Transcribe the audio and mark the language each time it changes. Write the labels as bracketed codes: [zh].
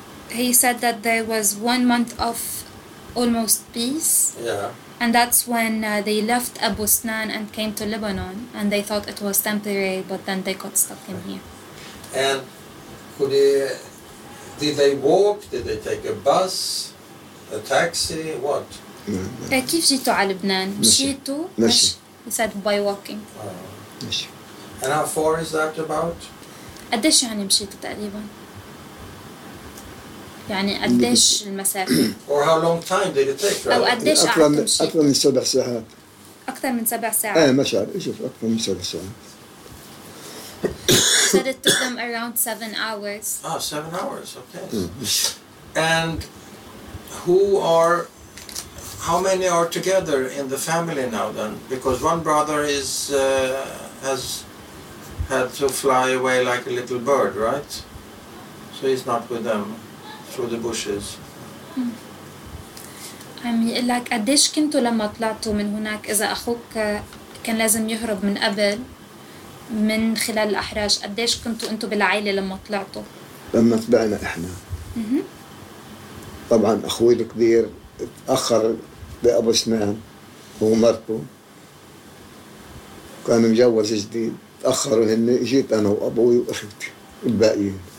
[en] he said that there was one month of almost peace yeah and that's when they left Abu Sinan and came to Lebanon and they thought it was temporary but then they got stuck in here and did they walk did they take a bus a taxi what mm-hmm. [ar] كيف جيتوا على لبنان مشيتوا ماشي [en] he said by walking [ar] ماشي [en] and how far is that about [ar] قديش يعني مشيتوا تقريبا يعني قديش المسافة؟ [en] Or how long time did it take? [ar] أو قديش أكثر من أكثر من سبع ساعات؟ أكثر من سبع ساعات؟ إيه مشعل شوف أكثر من سبع ساعات. [en] Said it took them around 7 hours. Ah, 7 hours, okay. And who are, how many are together in the family now then? Because one brother is has had to fly away like a little bird, right? So he's not with them through the bushes. [ar] عم يقول لك قديش كنتوا لما طلعتوا من هناك إذا أخوك كان لازم يهرب من قبل من خلال الأحراج قديش كنتوا أنتوا بالعائلة لما طلعتوا؟ لما تبعنا إحنا. طبعا أخوي الكبير تأخر بأبو سنان هو مرته كان مجوز جديد تأخروا هن جيت أنا وأبوي وأختي الباقيين.